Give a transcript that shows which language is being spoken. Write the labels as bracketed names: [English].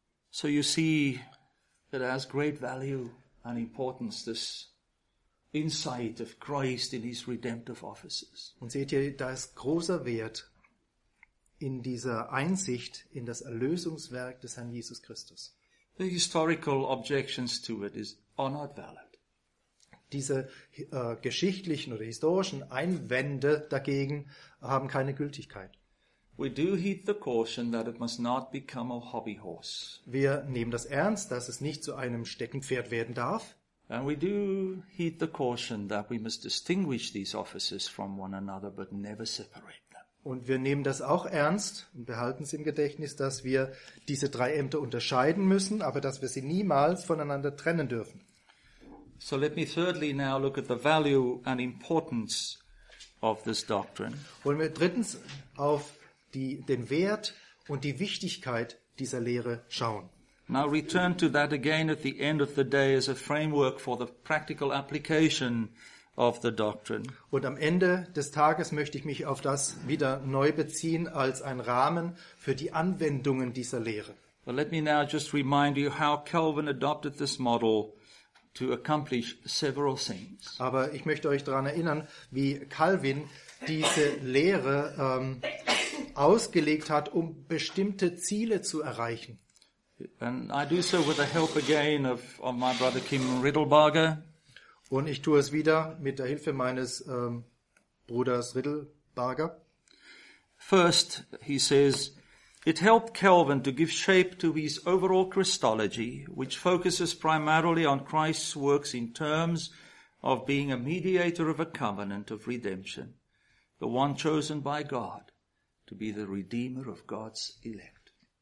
[English] So you see, it has great value and importance, this insight of Christ in his redemptive offices. [German] Und seht ihr, da ist großer Wert in dieser Einsicht in das Erlösungswerk des Herrn Jesus Christus. [English] The historical objections to it are not valid. [German] Diese geschichtlichen oder historischen Einwände dagegen haben keine Gültigkeit. [English] We do heed the caution that it must not become a hobby horse. [German] Wir nehmen das ernst, dass es nicht zu einem Steckenpferd werden darf. [English] And we do heed the caution that we must distinguish these offices from one another but never separate them. [German] Und wir nehmen das auch ernst und behalten es im Gedächtnis, dass wir diese drei Ämter unterscheiden müssen, aber dass wir sie niemals voneinander trennen dürfen. [English] So let me thirdly now look at the value and importance of this doctrine. [German] Wollen wir drittens auf den Wert und die Wichtigkeit dieser Lehre schauen. [English] Now return to that again at the end of the day as a framework for the practical application of the doctrine. [German] Und am Ende des Tages möchte ich mich auf das wieder neu beziehen als ein Rahmen für die Anwendungen dieser Lehre. [English] But let me now just remind you how Calvin adopted this model to accomplish several things. [German] Aber ich möchte euch daran erinnern, wie Calvin diese Lehre ausgelegt hat, um bestimmte Ziele zu erreichen. [English] And I do so with the help again of my brother Kim Riddlebarger. [German] Und ich tue es wieder mit der Hilfe meines Bruders Riddlebarger. [English] First, he says, it helped Calvin to give shape to his overall Christology, which focuses primarily on Christ's works in terms of being a mediator of a covenant of redemption, the one chosen by God to be the redeemer of God's elect.